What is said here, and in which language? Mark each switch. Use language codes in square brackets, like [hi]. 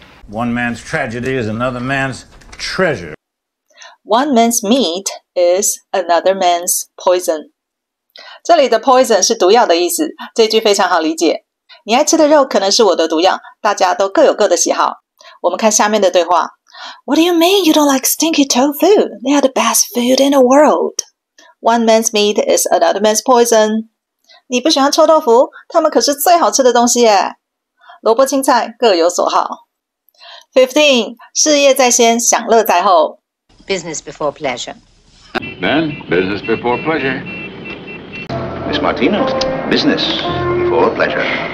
[en] One man's tragedy is another man's treasure. One man's meat is another man's poison. [zh] 这里的 poison 是毒药的意思，这句非常好理解。你爱吃的肉可能是我的毒药，大家都各有各的喜好。我们看下面的对话。 [en] What do you mean you don't like stinky tofu? They are the best food in the world. One man's meat is another man's poison. [zh] 你不喜欢臭豆腐？他们可是最好吃的东西耶。萝卜青菜各有所好。15. 事业在先，享乐在后。 [en] Business before pleasure. Man, business before pleasure. Miss Martino, business before pleasure.